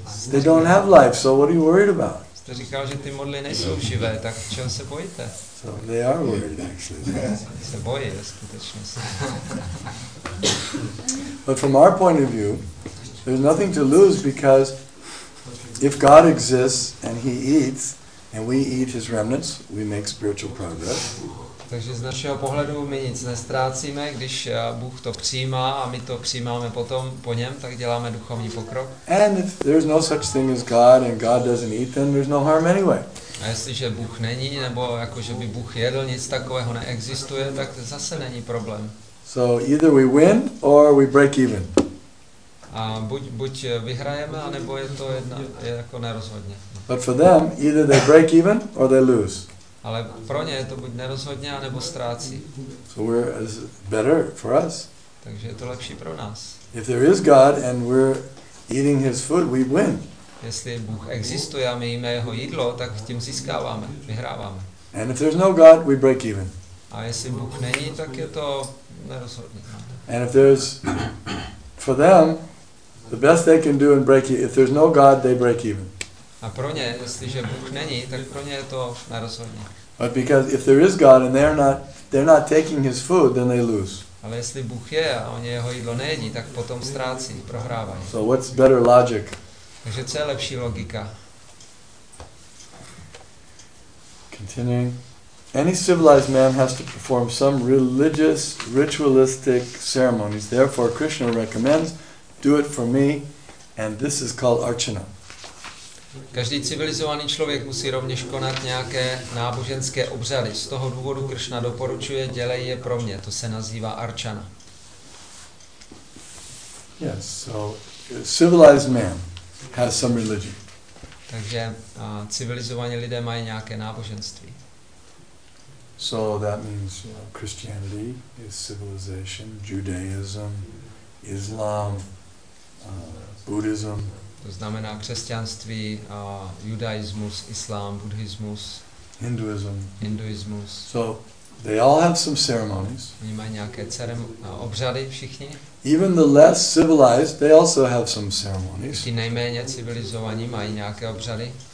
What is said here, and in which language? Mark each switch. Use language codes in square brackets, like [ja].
[en] They don't have life, so what are you worried about? [cs] Jste říkal, že ty modly nejsou živé, tak čeho se bojíte? [en] So they are worried, actually. [cs] Se bojí, ve skutečnosti. [en] But from our point of view, there's nothing to lose because if God exists and He eats and we eat His remnants, we make spiritual progress. [cs] Takže z našeho pohledu my nic nestrácíme, když Bůh to přijímá a my to přijímáme potom po něm, tak děláme duchovní pokrok. [en] And if there's no such thing as God and God doesn't eat, then there's no harm anyway. [cs] A jestliže Bůh není, nebo jako že by Bůh jedl, nic takového neexistuje, tak zase není problém. [en] So either we win or we break even. [cs] A buď vyhrajeme, nebo je to je jako nerozhodně. [en] But for them, either they break even or they lose. [cs] Ale pro ně je to buď nerozhodně, nebo ztrácí. [en] So we're better for us. [cs] Takže je to lepší pro nás. [en] If there is God and we're eating His food, we win. [cs] Jestli Bůh existuje a my jíme jeho jídlo, tak tím získáváme, vyhráváme. [en] And if there's no God, we break even. [cs] A jestli Bůh není, tak je to nerozhodně. [en] And if there's for them, the best they can do in breaking, if there's no God, they break even. [cs] A pro ně, jestliže Bůh není, tak pro ně je to nerozhodně. [en] But because if there is God and they're not taking His food, then they lose. [cs] Ale jestli Bůh je a oni jeho jídlo nejedí, tak potom ztrácí, prohrávají. [en] So what's better logic? [cs] Takže co je lepší logika? [en] Continuing. Any civilized man has to perform some religious ritualistic ceremonies. Therefore, Krishna recommends, do it for me, and this is called archana. [cs] Každý civilizovaný člověk musí rovněž konat nějaké náboženské obřady. Z toho důvodu Krishna doporučuje, dělej je pro mě. To se nazývá archana. [en] Yes, so civilized man has some religion. [cs] Takže civilizovaní lidé mají nějaké náboženství. [en] So that means, you know, Christianity is civilization, Judaism, Islam, Buddhism. [cs] To znamená křesťanství, judaismus, islám, buddhismus, [en] hinduismus. So they all have some ceremonies. [cs] Oni mají nějaké obřady všichni. [en] Even the less civilized, they also have some ceremonies. [cs] Ti nejméně civilizovaní mají nějaké obřady.